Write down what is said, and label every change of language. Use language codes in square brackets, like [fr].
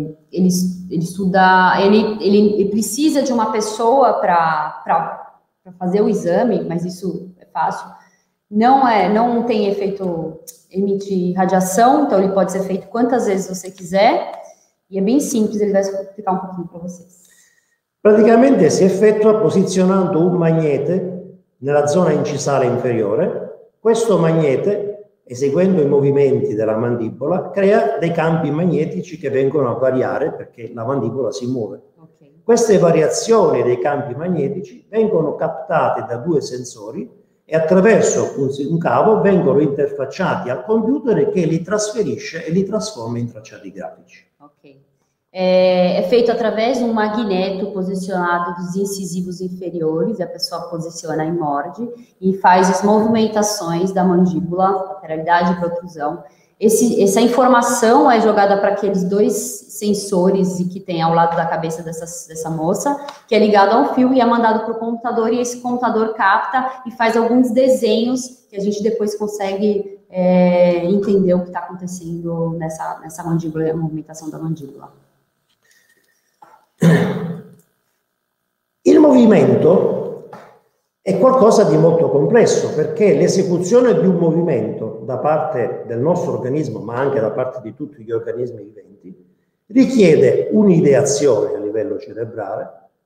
[pt] Ele estuda, ele precisa de uma pessoa para fazer o exame, mas isso é fácil. Não tem efeito, emite radiação, então ele pode ser feito quantas vezes você quiser. E é bem simples, ele vai explicar um pouquinho para vocês. [it] Praticamente si effettua posizionando un magnete nella zona incisale inferiore. Questo magnete, eseguendo i movimenti della mandibola, crea dei campi magnetici che vengono a variare perché la mandibola si muove. Okay. Queste variazioni dei campi magnetici vengono captate da due sensori e attraverso un cavo vengono interfacciati al computer che li trasferisce e li trasforma in tracciati grafici. [pt] È feito através de um magneto posicionado dos incisivos inferiores, a pessoa posiciona e morde, e faz as movimentações da mandíbula, lateralidade e protrusão. Essa informação é jogada para aqueles dois sensores que tem ao lado da cabeça dessa moça, que é ligado ao fio e é mandado para o computador, e esse computador capta e faz alguns desenhos que a gente depois consegue entender o que está acontecendo nessa mandíbula, a movimentação da mandíbula. [it] Il movimento è qualcosa di molto complesso, perché l'esecuzione di un movimento da parte del nostro organismo, ma anche da parte di tutti gli organismi viventi, richiede un'ideazione a livello cerebrale,